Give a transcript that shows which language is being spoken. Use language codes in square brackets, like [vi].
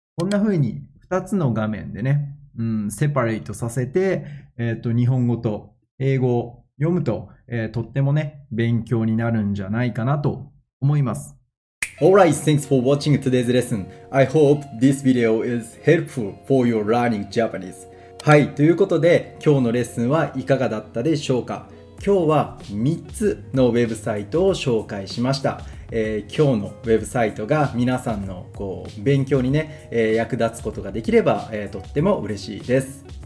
[ja] こんな風に2つの画面でね、セパレートさせて、日本語と英語を読むと、とってもね、勉強になるんじゃないかなと思います。 [en] Alright, thanks for watching today's lesson. I hope this video is helpful for your learning Japanese. [ja] はい、ということで今日のレッスンはいかがだったでしょうか。今日は3つのウェブサイトを紹介しました。今日のウェブサイトが皆さんのこう勉強にね、役立つことができれば、とっても嬉しいです。